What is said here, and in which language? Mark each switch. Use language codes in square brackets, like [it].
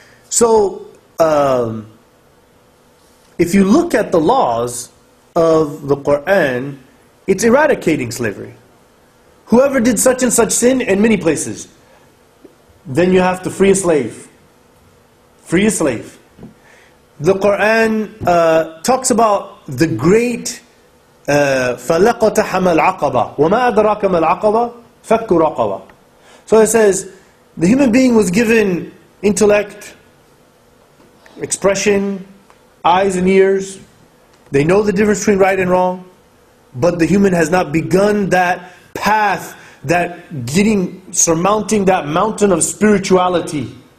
[en] So if you look at the laws of the Quran, it's eradicating slavery. Whoever did such and such sin in many places, then you have to free a slave. Free a slave. The Quran talks about the great [ar] فَلَقَتَحَمَ الْعَقَبَ وَمَا أَدْرَاكَ مَا الْعَقَبَ فَكُّ رَقَبَ. [en] So it says, the human being was given intellect, expression, eyes and ears. They know the difference between right and wrong. But the human has not begun that path, that getting, surmounting that mountain of spirituality.